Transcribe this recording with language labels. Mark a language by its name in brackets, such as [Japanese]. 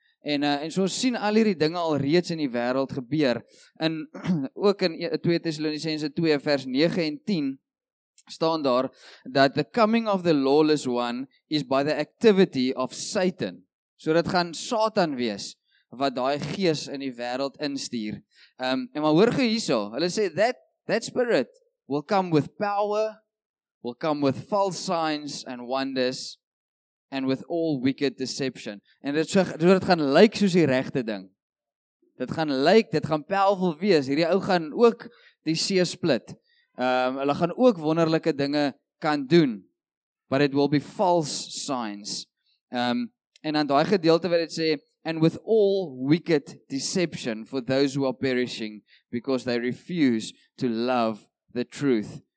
[Afrikaans] En so sien al hierdie dinge al reeds in die wêreld gebeur. In ook in 2 Tessalonisense 2 vers 9 en 10 staan daar dat [English] the coming of the lawless one is by the activity of Satan. [Afrikaans] So dit gaan Satan wees wat daai gees in die wêreld instuur. En maar hoor gou hierso, hulle sê [English] that spirit will come with power, will come with false signs and wonders, and with all wicked deception. [Afrikaans] En dit so dit gaan lyk soos die regte ding. Dit gaan lyk, dit gaan powerful wees. Hierdie ou gaan ook die see split. Hulle gaan ook wonderlike dinge kan doen. [English] But it will be false signs. [Afrikaans] En aan daai gedeelte wat dit sê, [English] and with all wicked deception for those who are perishing, because they refuse to love the truth.